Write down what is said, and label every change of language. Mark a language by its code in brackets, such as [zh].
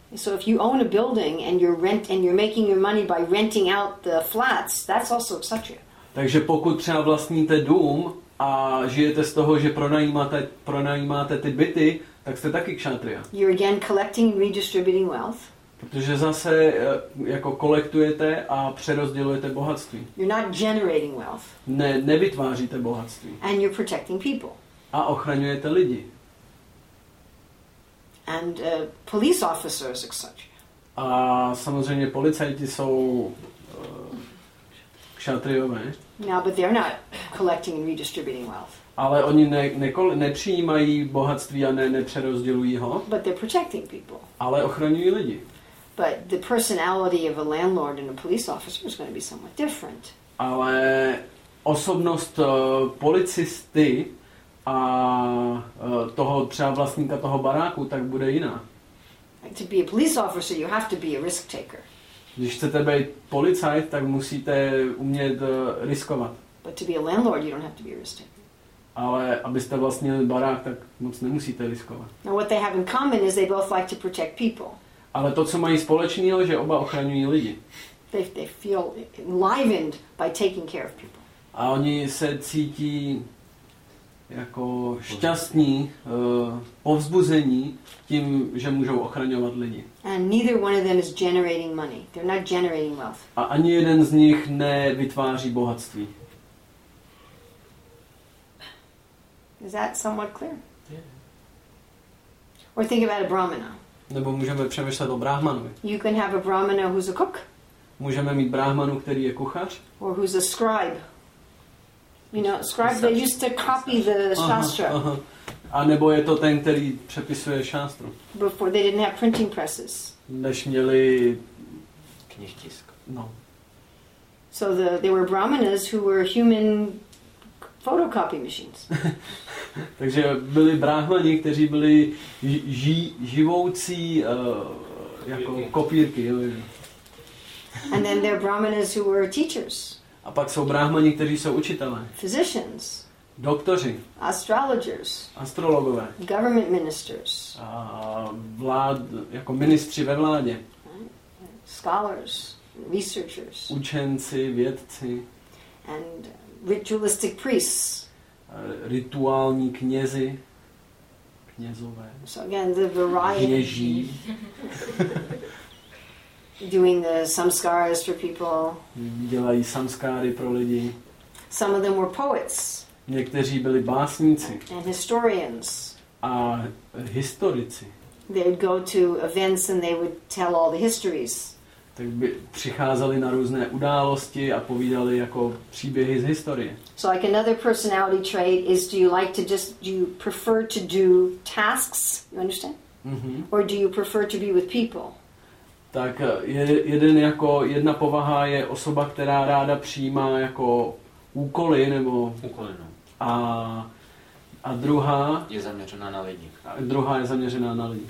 [en] So if you own a building and you're making your money by renting out the flats, that's also a kshatriya. [cs] Takže pokud třeba vlastníte dům a žijete z toho, že pronajímáte ty byty, tak jste taky kshatriya. [en] You're again collecting and redistributing wealth. [cs] Protože zase jako kolektujete a přerozdělujete bohatství. [en] You're not generating wealth. [cs] Ne, nevytváříte bohatství. [en] And you're protecting people. [cs] A ochraňujete lidi. [en] and police officers and such. [cs] A samozřejmě policajti jsou kšatriové. [en] No, but they're not collecting and redistributing wealth. [cs] Ale oni nepřijímají bohatství a nepřerozdělují ho. [en] But they're protecting people. [cs] Ale ochraňují lidi. [en] But the personality of a landlord and a police officer is going to be somewhat different. [cs] Ale osobnost policisty a toho třeba vlastníka toho baráku tak bude jiná. [en] To be a police officer, you have to be a risk taker. [cs] Když chcete být policajt, tak musíte umět riskovat. [en] But to be a landlord, you don't have to be a risk taker. [cs] Ale abyste vlastnili barák, tak moc nemusíte riskovat. [en] Now what they have in common is they both like to protect people. [cs] Ale to, co mají společného, že oba ochraňují lidi. [en] They feel enlivened by taking care of people. [cs] A oni se cítí jako šťastní, povzbuzení tím, že můžou ochraňovat lidi. [en] And neither one of them is generating money. They're not generating wealth. [cs] A ani jeden z nich nevytváří bohatství. [en] Is that somewhat clear? Yeah. Or think about a brahmana. [cs] Nebo můžeme přemýšlet o brahmanovi. [en] You can have a brahmana who's a cook. [cs] Můžeme mít brahmanu, který je kuchař. [en] Or who's a scribe. You know, scribes, they used to copy the shastra. Aha. [cs] A nebo je to ten, který přepisuje šástru. [en] Before they didn't have printing presses. [cs] Než měli knihtisk. No. [en] So they were brahmanas who were human photocopy machines. [cs] Takže byli brahmani, kteří byli živoucí jako kopírky. [en] And then there are brahmanas who were teachers. [cs] A pak jsou brahmani, kteří jsou učitelé. [en] Physicians. [cs] Doktoři. [en] Astrologers. [cs] Astrologové. [en] Government ministers. [cs] A vlád, jako ministři ve vládě. [en] Scholars, researchers. [cs] Učenci, vědci. [en] And ritualistic priests. [cs] Rituální knězi. Knězové. [en] So again, the variety. [cs] Kněží. [en] Doing the samskaras for people. [cs] Dělají samskáry pro lidi. [en] Some of them were poets. [cs] Někteří byli básníci. [en] And historians. [cs] A historici. [en] They'd go to events and they would tell all the histories. [cs] Tak by přicházeli na různé události a povídali jako příběhy z historie. [en] So like another personality trait is, do you like to just, do you prefer to do tasks? You understand? Mm-hmm. Or do you prefer to be with people? [cs] Tak jeden jako jedna povaha je osoba, která ráda přijímá jako úkoly nebo úkoly, no. A druhá je zaměřená na lidi. A druhá je zaměřená na lidi.